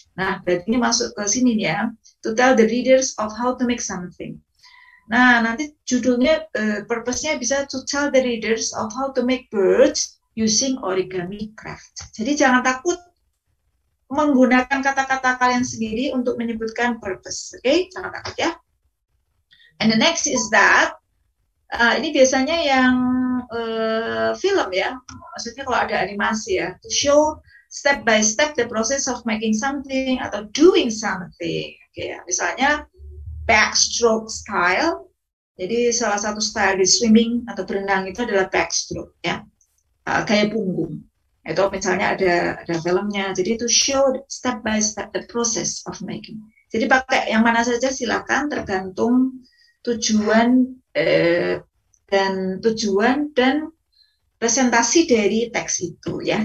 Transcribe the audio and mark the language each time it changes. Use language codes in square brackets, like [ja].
[id] Nah, berarti ini masuk ke sini ya. [en] To tell the readers of how to make something. [id] Nah, nanti judulnya, purpose-nya bisa [en] to tell the readers of how to make birds using origami craft. [id] Jadi, jangan takut menggunakan kata-kata kalian sendiri untuk menyebutkan purpose. Oke, okay? Jangan takut ya. [en] And the next is that, [id] ini biasanya yang film ya. Maksudnya kalau ada animasi ya. [en] To show step by step the process of making something [id] atau [en] doing something. [id] Oke, okay, misalnya backstroke style. Jadi salah satu style di swimming atau berenang itu adalah backstroke, ya, gaya punggung. Itu misalnya ada filmnya. Jadi [en] to show step by step the process of making. [id] Jadi pakai yang mana saja silakan, tergantung tujuan dan presentasi dari teks itu, ya.